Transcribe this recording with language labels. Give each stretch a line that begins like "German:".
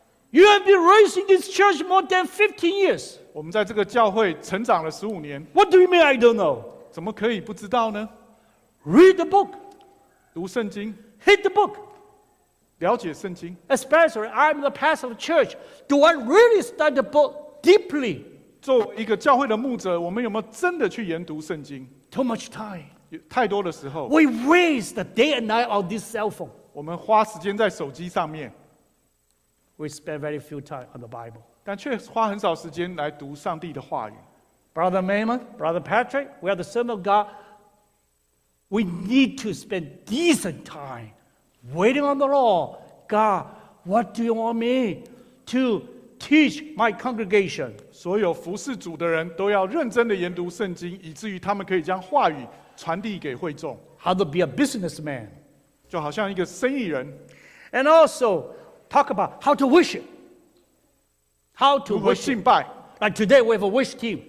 English: You have been raised in this church more than 15 years.
Chinese: 我们在这个教会成长了15年。
English: What do you mean I don't know?
Chinese: 怎么可以不知道呢？
English: Read the book.
Chinese: 读圣经。
English: Hit the book.
Chinese: 了解圣经。
English: Especially, I'm the pastor of the church. Do I really study the book deeply?
Chinese: 作为一个教会的牧者，我们有没有真的去研读圣经？
English: Too much time.
Chinese: 太多的时候。
English: We waste the day and night on this cell phone.
Chinese: 我们花时间在手机上面。
English: We spend very few time on the Bible.
Chinese: 但却花很少时间来读上帝的话语。
English: Brother Maimon, Brother Patrick, we are the servant of God. We need to spend decent time waiting on the Lord. God, what do you want me to teach my congregation?
Chinese: 所有服侍主的人都要认真地研读圣经，以至于他们可以将话语传递给会众。
English: How to be a businessman?
Chinese: 就好像一个生意人。
English: And also,Talk about how to worship. How to worship. Like today we have a worship team.